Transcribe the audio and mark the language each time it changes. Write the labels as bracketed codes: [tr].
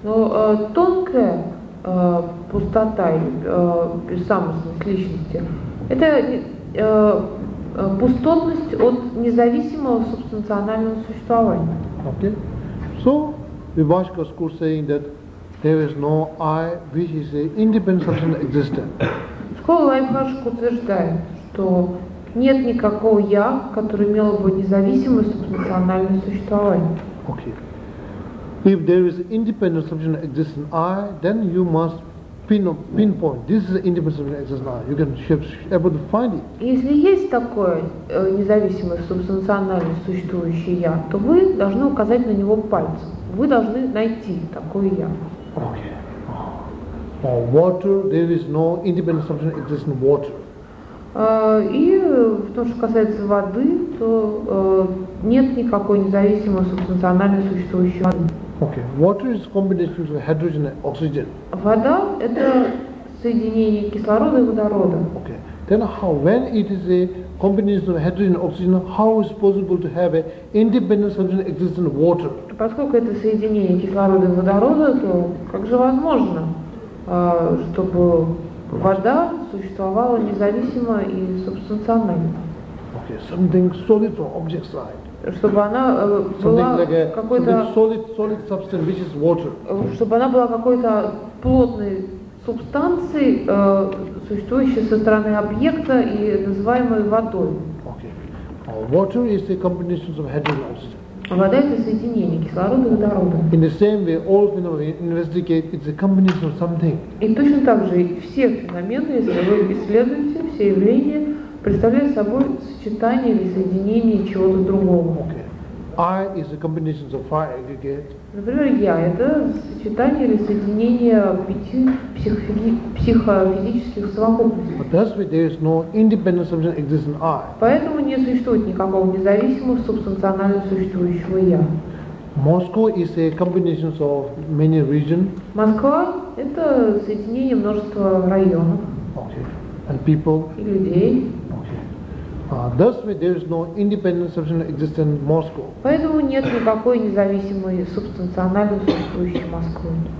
[ru] Но тонкая пустота и самость личности — это пустотность от независимого субстанционального существования. [en] Okay. So Vibhashika school saying that there is no I which is an independent substantial existence. [ru] Школа Вайбхашка утверждает, что нет никакого я, которое имело бы независимое субстанциональное существование. [en] Okay. If there is independent substantial existence I, then you must pinpoint. This is independent substantial existence I. You can able to find it. [ru] Если есть такое независимое субстанциональное существующее я, то вы должны указать на него пальцем. Вы должны найти такое я. [en] Okay. For water, there is no independent substantial existence water. [ru] И то, что касается воды, то нет никакой независимого субстанционального существующего воды. [en] Okay. Water is combination of hydrogen and oxygen. [ru] Вода — это соединение кислорода и водорода. [en] Okay. Then how, when it is a combination of hydrogen and oxygen, how is possible to have an independent substantial existence water? [ru] Поскольку это соединение кислорода и водорода, то как же возможно, чтобы вода существовала независимо и субстанционально? [en] Okay. Something solid from object side. [ru] Чтобы она была какой-то [en] solid substance, which is water. [ru] Чтобы она была какой-то плотной субстанцией, существующей со стороны объекта и называемой водой. [en] Okay. Water is a combination of hydrogen and oxygen. [ru] Вода — это соединение кислорода и водорода. [en] In the same way, all phenomena investigate, it's a combination of something. [ru] И точно так же все феномены, если вы исследуете, все явления представляет собой сочетание или соединение чего-то другого. [en] Okay. I is a combination of five aggregates. [ru] Например, я — это сочетание или соединение пяти психофизических совокупностей. [en] But that's why there is no independent substantial existence I. [ru] Поэтому не существует никакого независимого субстанционального существующего я. [en] Moscow is a combination of many regions. [ru] Москва – это соединение множества районов. [en] Okay. And people. [ru] И людей. [en] Okay. Thus, there is no independent substance existing in Moscow. [ru] Поэтому нет никакой независимой субстанциональной существующей Москвы.